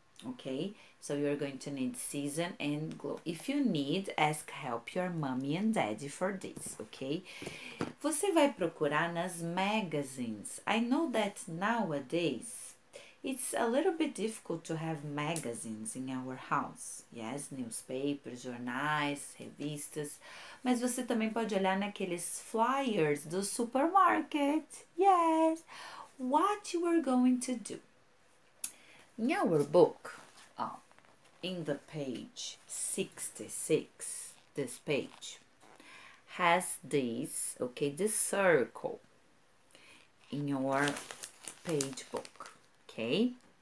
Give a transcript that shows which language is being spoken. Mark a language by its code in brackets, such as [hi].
[en] Okay, so you're going to need scissors and glue. If you need, ask help your mommy and daddy for this, okay? [pt] Você vai procurar nas magazines. [en] I know that nowadays, it's a little bit difficult to have magazines in our house. Yes, newspapers, [pt] jornais, revistas. Mas você também pode olhar naqueles flyers do supermarket. [en] Yes, what you are going to do. In our book, in the page 66, this page, has this, okay, this circle in your page book, okay?